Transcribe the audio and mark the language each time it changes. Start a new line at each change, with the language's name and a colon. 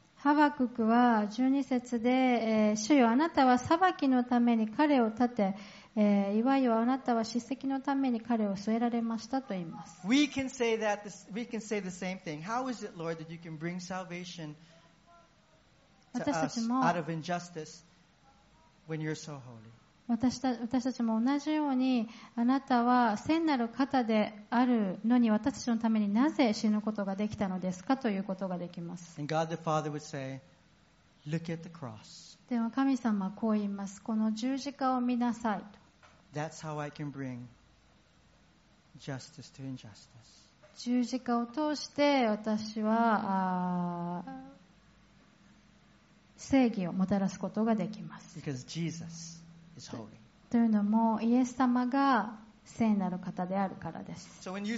Japanese: ハバククは12節で、主よ、あなたは裁きのために彼を立て、いわゆるあなたは叱責のために彼を据えられましたと言います。
English: We can say that this, we can say the same thing. How is it, Lord, that you can bring salvation to us out of injustice when you're so holy?
Japanese: 私たちも同じようにあなたは聖なる方であるのに私たちのためになぜ死ぬことができたのですかということができます。
English: And God the Father would say, Look at the cross.
Japanese: でも神様はこう言います。この十字架を見なさいと。
English: That's how I can bring justice to injustice.
Japanese: 十字架を通して私は正義をもたらすことができます。
English: Because Jesus
Japanese: というのもイエス様が聖なる方であるからです。